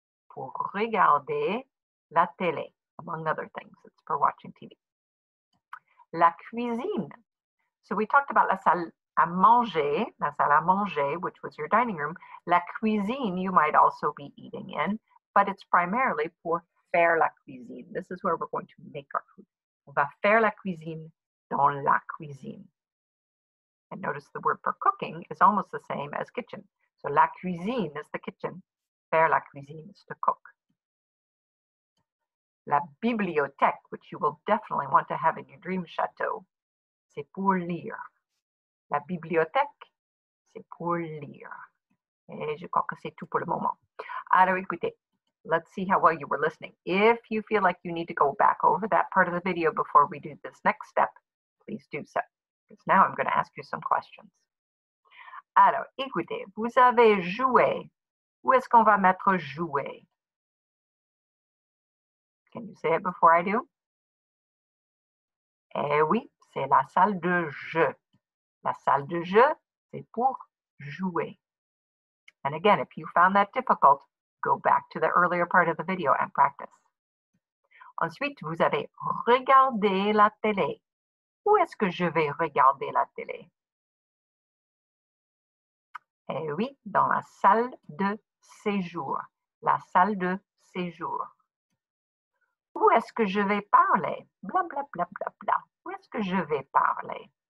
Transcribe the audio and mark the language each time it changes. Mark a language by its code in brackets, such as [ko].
[fr] Pour regarder la télé, [en] among other things. It's for watching TV. La cuisine. So we talked about [fr] la salle à manger, la salle à manger, [en] which was your dining room. La cuisine, you might also be eating in, but it's primarily [fr] pour faire la cuisine. [en] This is where we're going to make our food. [fr] On va faire la cuisine dans la cuisine. [en] And notice the word for cooking is almost the same as kitchen. So la cuisine is the kitchen. [fr] Faire la cuisine [en] is to cook. La bibliothèque, which you will definitely want to have in your dream château, [fr] c'est pour lire. La bibliothèque, c'est pour lire. Et je crois que c'est tout pour le moment. Alors, écoutez, [en] let's see how well you were listening. If you feel like you need to go back over that part of the video before we do this next step, please do so. Because now I'm going to ask you some questions. [fr] Alors, écoutez, vous avez joué. Où est-ce qu'on va mettre joué? [en] Can you say it before I do? [fr] Eh oui, c'est la salle de jeu. La salle de jeu, c'est pour jouer. [en] And again, if you found that difficult, go back to the earlier part of the video and practice. [fr] Ensuite, vous avez regardé la télé. Où est-ce que je vais regarder la télé? Eh oui, dans la salle de séjour. La salle de séjour. Où est-ce que je vais parler? Bla, bla, bla, bla, bla. Où est-ce que je vais parler?